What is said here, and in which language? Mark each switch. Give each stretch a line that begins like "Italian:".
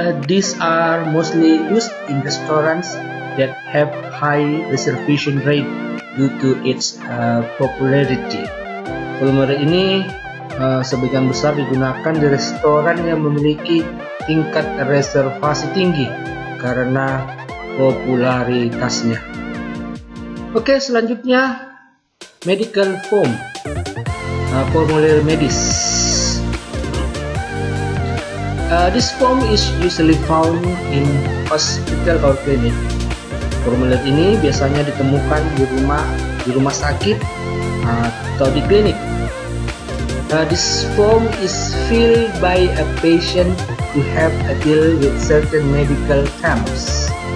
English: These are mostly used in restaurants that have high reservation rate due to its popularity.
Indonesian: Formulir ini sebagian besar digunakan di restoran yang memiliki tingkat reservasi tinggi karena popularitasnya. Oke, selanjutnya medical form, formulir medis.
English: This form is usually found in hospital or clinic.
Indonesian: Formulir ini biasanya ditemukan di rumah sakit atau di klinik.
English: This form is filled by a patient who have a deal with certain medical terms.